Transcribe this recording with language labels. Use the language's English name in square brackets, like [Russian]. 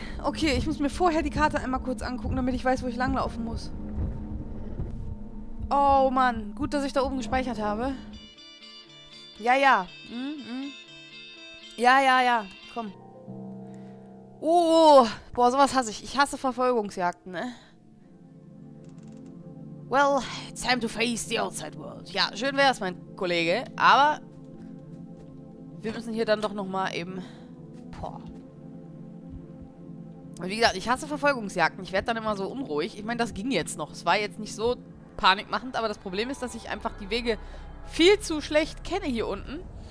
[German] Okay, ich muss mir vorher die Karte einmal kurz angucken, damit ich weiß, wo ich langlaufen muss. Oh, Mann. Gut, dass ich da oben gespeichert habe. Ja, ja. Ja, ja, ja. Komm. Oh, boah, sowas hasse ich. Ich hasse Verfolgungsjagden, ne? [English] Well, it's time to face the outside world. [German] Ja, schön wär's, mein Kollege. Aber wir müssen hier dann doch nochmal eben... Boah. Und wie gesagt, ich hasse Verfolgungsjagden. Ich werde dann immer so unruhig. Ich meine, das ging jetzt noch. Es war jetzt nicht so panikmachend. Aber das Problem ist, dass ich einfach die Wege viel zu schlecht kenne hier unten.